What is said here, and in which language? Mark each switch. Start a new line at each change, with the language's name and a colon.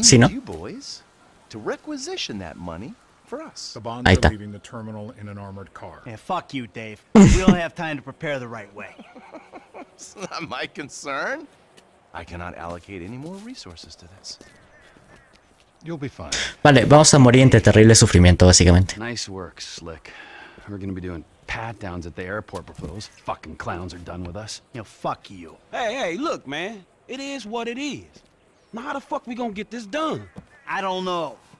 English: ¿sí, need no? you boys to requisition that money for us. The bonds are leaving the terminal in an armored car. Yeah, fuck you, Dave. We don't have time to prepare the right way. It's not my concern. I cannot allocate any more resources to this.
Spanish: Vale, vamos a morir entre terrible sufrimiento, básicamente.
English: Nice work, Slick. We're gonna be doing pat downs at the airport before those fucking clowns are done with us. You know, fuck you. Hey, hey, look, man. It is what it is. Now, how the fuck we gonna get this done? I don't know.